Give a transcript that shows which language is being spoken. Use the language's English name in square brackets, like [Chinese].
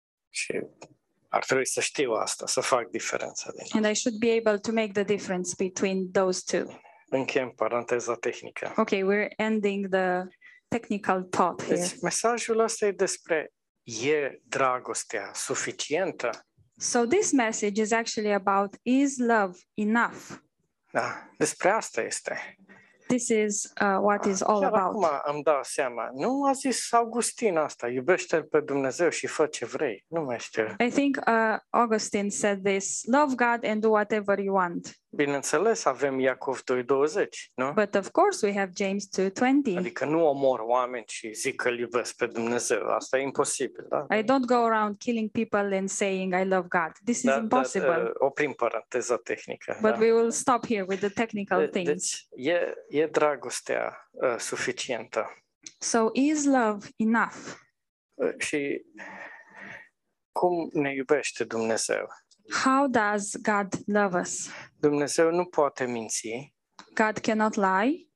[Romanian] Și ar trebui să știu asta, să fac diferența dintre. [English] And I should be able to make the difference between those two. [Romanian] Încheiem paranteza tehnică. [English] Okay, we're ending the technical thought here. [Romanian] Deci, mesajul ăsta e despre e dragostea suficientă? [English] So this message is actually about is love enough? [Romanian] Da, despre asta este. [English] This is what is all about. [Romanian] Acum am dat seama. Nu a zis Augustin asta, iubește-l pe Dumnezeu și fă ce vrei. Nu mai știu. [English] I think Augustine said this, love God and do whatever you want. [Romanian] Bineînțeles, avem Iacov 2:20, nu? [English] But of course we have James 2:20. [Romanian] Adică nu omor oameni și zic că îl iubesc pe Dumnezeu. Asta e imposibil, da? [English] I don't go around killing people and saying I love God. This is impossible. [Romanian] Oprim paranteza tehnică. [English] But [Romanian] da. [English] We will stop here with the technical things. [Romanian] Deci, e dragostea suficientă. [English] So is love enough? [Romanian] Și cum ne iubește Dumnezeu? [English] How does God love us? [Romanian] Dumnezeu nu poate minți. [English] God cannot lie.